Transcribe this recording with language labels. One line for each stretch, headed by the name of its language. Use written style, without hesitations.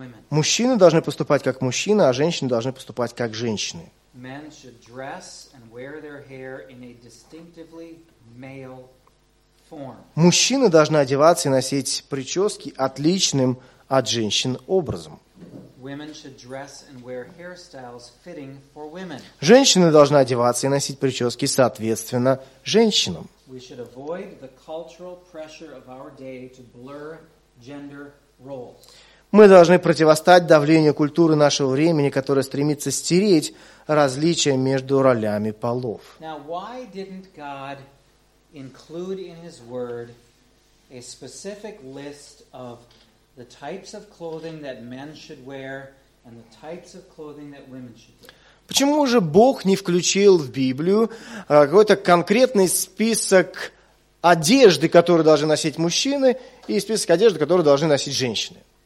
Russian: Мужчины должны поступать как мужчины, а женщины должны поступать как женщины.
English: Men should dress and wear their hair in a distinctively male form.
Russian: Мужчины должны одеваться и носить прически отличным от женщин образом.
English: Women should dress and wear hairstyles fitting for women.
Russian: Женщины должны одеваться и носить прически соответственно женщинам.
English: We should avoid the cultural pressure of our day to blur gender roles.
Russian: Мы должны противостать давлению культуры нашего времени, которая стремится стереть различия между ролями полов.
English: Now, why didn't God include in His Word a specific list of the types of clothing that men should wear and the types of clothing that women should wear?
Russian: Почему же Бог не включил в Библию какой-то конкретный список одежды, которую должны носить мужчины, и список одежды, которую должны носить женщины?